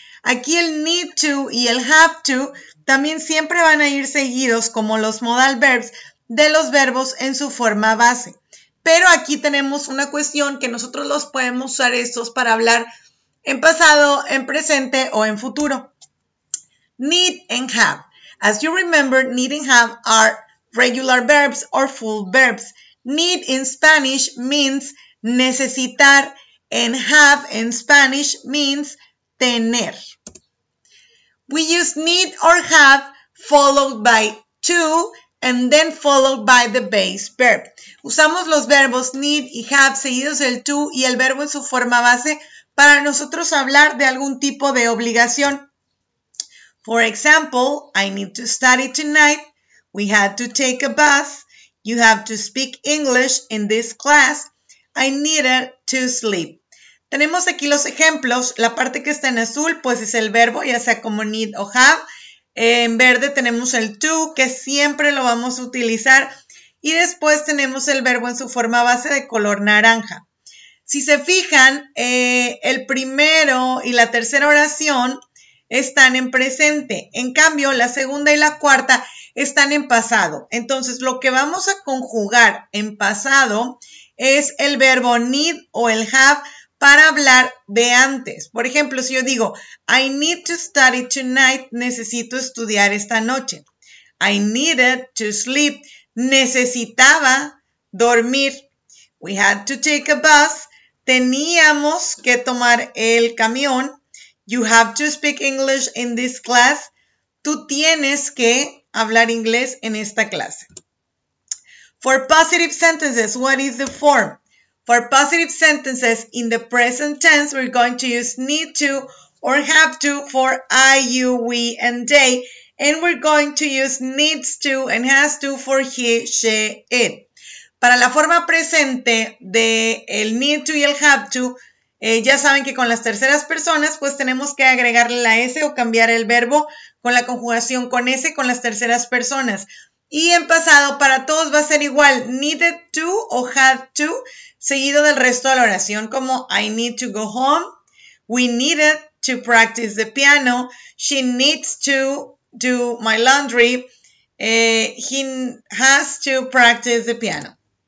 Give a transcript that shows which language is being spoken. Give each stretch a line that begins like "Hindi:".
Spanish: Aquí el need to y el have to también siempre van a ir seguidos como los modal verbs de los verbos en su forma base. Pero aquí tenemos una cuestión que nosotros los podemos usar estos para hablar en pasado, en presente o en futuro.
English: Need and have. As you remember, need and have are regular verbs or full verbs. Need in Spanish means necesitar and have in Spanish means tener. We use need or have followed by to and then followed by the base verb.
Spanish: Usamos los verbos need y have seguidos del to y el verbo en su forma base para nosotros hablar de algún tipo de obligación.
English: For example, I need to study tonight. We had to take a bus. You have to speak English in this class.
Spanish: I needed to sleep. Tenemos aquí los ejemplos. La parte que está en azul, pues es el verbo, ya sea como need o have. En verde tenemos el to, que siempre lo vamos a utilizar. Y después tenemos el verbo en su forma base de color naranja. Si se fijan, el primero y la tercera oración están en presente. En cambio, la segunda y la cuarta están en pasado. Entonces, lo que vamos a conjugar en pasado es el verbo need o el have para hablar de antes. Por ejemplo, si yo digo, I need to study tonight, necesito estudiar esta noche.
English: I needed to sleep, necesitaba dormir. We had to take a bus, teníamos que tomar el camión. You have to speak English in this class.
Spanish: Tú tienes que hablar inglés en esta clase.
English: For positive sentences, what is the form? For positive sentences in the present tense, we're going to use need to or have to for I, you, we, and they. And we're going to use needs to and has to for he, she, it.
Spanish: Para la forma presente de el need to y el have to, ya saben que con las terceras personas, pues tenemos que agregarle la S o cambiar el verbo con la conjugación con S con las terceras personas.
English: Y en pasado, para todos va a ser igual, needed to o had to, seguido del resto de la oración, como I need to go home, we needed to practice the piano, she needs to do my laundry, he has to practice the piano.